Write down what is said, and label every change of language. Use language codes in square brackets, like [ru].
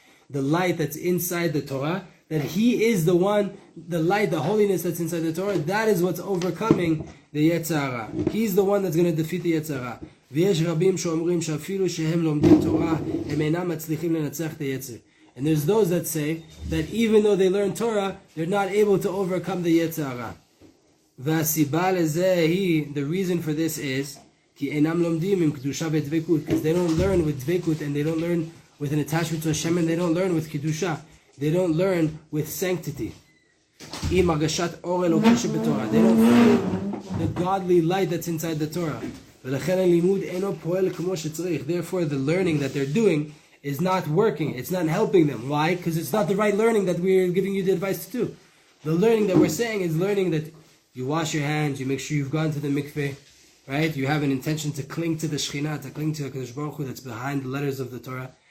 [en] The light that's inside the Torah, that he is the one, the light, the holiness that's inside the Torah, that is what's overcoming the Yetzara. He's the one that's going to defeat the Yetzara. [he] ויש רבים שאומרים שאפילו שהם לומדים תורה הם אינם מצליחים לנצח את היצר. [en] And there's those that say that even though they learn Torah, they're not able to overcome the יצרה. [he] והסיבה לזה היא, [en] the reason for this is, [he] כי אינם לומדים עם קדושה ודבקות, [en] because they don't learn with דבקות and they don't learn with an attachment to Hashem and they don't learn with קדושה. They don't learn with sanctity. [he] עם הרגשת אור אלוקי שבתורה. [en] They don't feel the godly light that's inside the Torah. [he] ולכן הלימוד אינו פועל כמו שצריך. [en] Therefore, the learning that they're doing is not working. It's not helping them. Why? Because it's not the right learning that we're giving you the advice to do. The learning that we're saying is learning that you wash your hands, you make sure you've gone to the mikveh, right? You have an intention to cling to the Shekhinah, to cling to HaKadosh Baruch Hu that's behind the letters of the Torah.